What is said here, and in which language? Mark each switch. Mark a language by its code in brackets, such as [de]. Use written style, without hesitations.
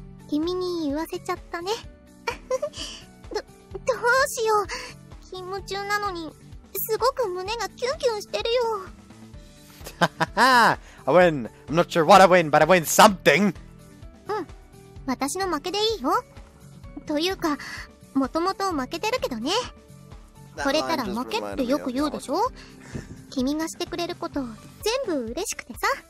[ja] 君に言わせちゃったね。どうしよう。勤務中なのに、すごく胸がキュンキュンしてるよ。 [en] I win. I'm not sure what I win, but I win something. [ja] うん、私の負けでいいよ。というか、もともと負けてるけどね。これたら負けってよく言うでしょ。君がしてくれること全部嬉しくてさ。